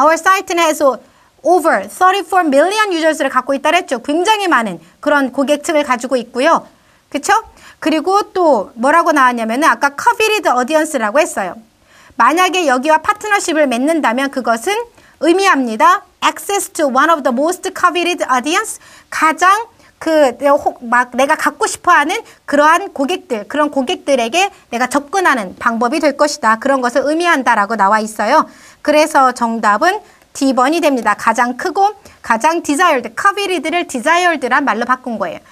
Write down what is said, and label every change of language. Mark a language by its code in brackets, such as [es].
[en] Our site는 has over 34 million users를 [ko] 갖고 있다 했죠. 굉장히 많은 그런 고객층을 가지고 있고요. 그렇죠? 그리고 또 뭐라고 나왔냐면은 아까 coveted audience라고 했어요. 만약에 여기와 파트너십을 맺는다면 그것은 의미합니다. [en] Access to one of the most coveted audience. [ko] 가장 내가 갖고 싶어 하는 그러한 고객들, 그런 고객들에게 내가 접근하는 방법이 될 것이다. 그런 것을 의미한다라고 나와 있어요. 그래서 정답은 D번이 됩니다. 가장 크고 가장 desired, coveted를 desired란 말로 바꾼 거예요.